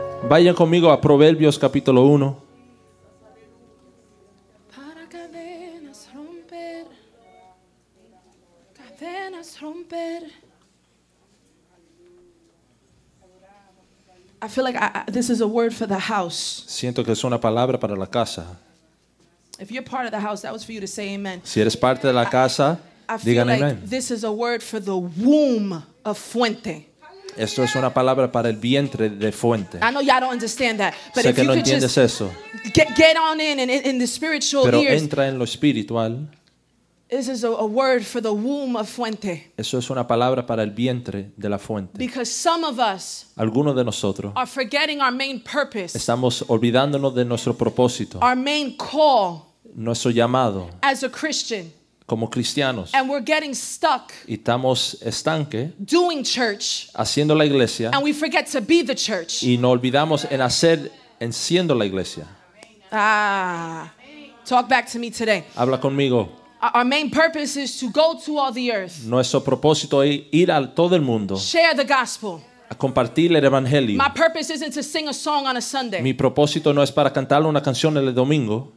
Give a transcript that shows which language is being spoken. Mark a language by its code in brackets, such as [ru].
[es] Vayan conmigo a Proverbios capítulo 1. Para cadenas romper. Cadenas romper. [en] I feel like this is a word for the house. [es] Siento que es una palabra para la casa. [en] If you're part of the house, that was for you to say amen. [es] Si eres parte de la casa, digan amen. [en] I feel like this is a word for the womb of Fuente. [es] Esto es una palabra para el vientre de Fuente. [en] I know y'all don't understand that, but [es] sé [en] if [es] que [en] you [es] no [en] could just [es] eso. [en] Get on in the spiritual [es] pero [en] ears. [es] Pero entra en lo espiritual. [en] This is a word for the womb of Fuente. [es] Eso es una palabra para el vientre de la fuente. [en] Because some of us, [es] algunos de nosotros, [en] are forgetting our main purpose. [es] Estamos olvidándonos de nuestro propósito. [en] Our main call. [es] Nuestro llamado. [en] As a Christian. [es] Como cristianos. [en] And we're getting stuck. [es] Y estamos estanque. [en] Doing church. [es] Haciendo la iglesia. [en] And we forget to be the church. [es] Y nos olvidamos en hacer, en siendo la iglesia. [en] Ah, talk back to me today. [es] Habla conmigo. [en] Our main purpose is to go to all the earth. [es] Nuestro propósito es ir a todo el mundo. [en] Share the gospel. [es] A compartir el evangelio. [en] My purpose isn't to sing a song on a Sunday. [es] Mi propósito no es para cantar una canción el domingo.